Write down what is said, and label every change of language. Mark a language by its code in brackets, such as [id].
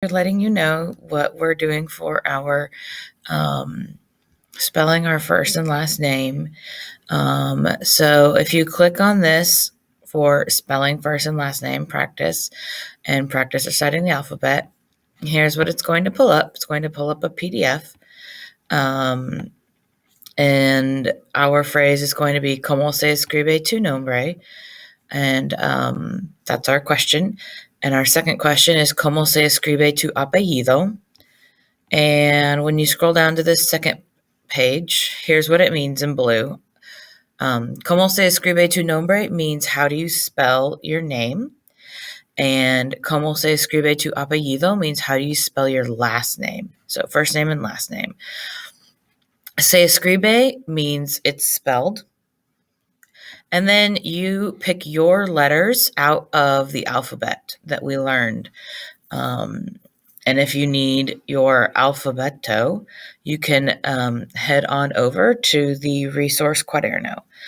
[en] Letting you know what we're doing for our spelling our first and last name. So if you click on this for spelling first and last name practice and practice reciting the alphabet, here's what it's going to pull up. It's going to pull up a PDF. And our phrase is going to be [es] ¿Cómo se escribe tu nombre? [en] And that's our question. And our second question is, [es] ¿Cómo se escribe tu apellido? [en] And when you scroll down to this second page, here's what it means in blue. [es] ¿Cómo se escribe tu nombre? [en] Means, how do you spell your name? [es] And ¿Cómo se escribe tu apellido? [en] Means, how do you spell your last name? So first name and last name. Se escribe means it's spelled. And then you pick your letters out of the alphabet that we learned. And if you need your alfabeto, you can head on over to the resource Quaderno.